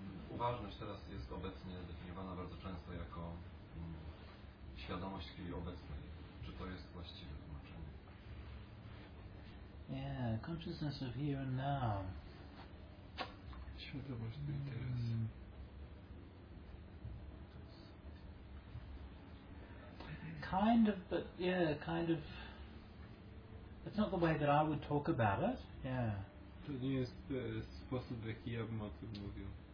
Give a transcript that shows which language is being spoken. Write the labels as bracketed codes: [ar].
[pl] Uważność teraz jest obecnie definiowana bardzo często jako świadomość chwili obecnej. Czy to jest właściwe tłumaczenie? [en] Yeah, consciousness of here and now. [pl] Świadomość tu i teraz. [en] Kind of, but yeah, kind of. It's not the way that I would talk about it. Yeah. [pl] To nie jest sposób, w jaki ja bym o tym mówił.